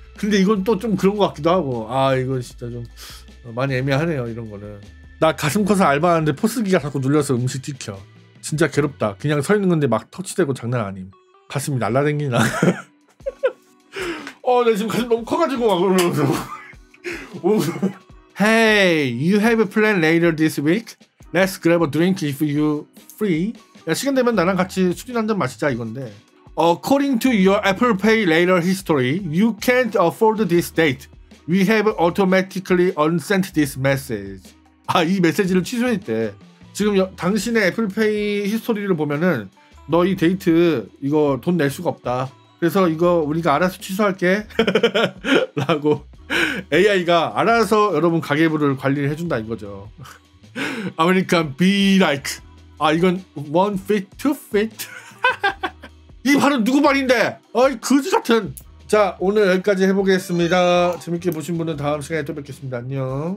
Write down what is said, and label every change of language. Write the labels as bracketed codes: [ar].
[ko] 근데 이건 또 좀 그런 것 같기도 하고. 아, 이건 진짜 좀 많이 애매하네요, 이런 거는. 나 가슴 커서 알바하는데 포스기가 자꾸 눌려서 음식 튀겨. 진짜 괴롭다. 그냥 서 있는 건데 막 터치되고 장난 아님. 가슴이 날라댕기나. 어, 내 지금 가슴 너무 커가지고 막 그러면서. [en] Hey, you have a plan later this week? Let's grab a drink if you free. 야, 시간 되면 나랑 같이 술이나 한잔 마시자 이건데. According to your Apple Pay later history, you can't afford this date. We have automatically unsent this message. [ko] 아, 이 메시지를 취소했대. 지금 당신의 애플페이 히스토리를 보면은 너 이 데이트 이거 돈 낼 수가 없다. 그래서 이거 우리가 알아서 취소할게. 라고 AI가 알아서 여러분 가계부를 관리를 해준다 이거죠. 아, 그러니까 [en] be like. 아, 이건 one fit, two fit. [ko] 이 발은 누구 발인데? 어이, 거지 같은. 자, 오늘 여기까지 해보겠습니다. 재밌게 보신 분은 다음 시간에 또 뵙겠습니다. 안녕.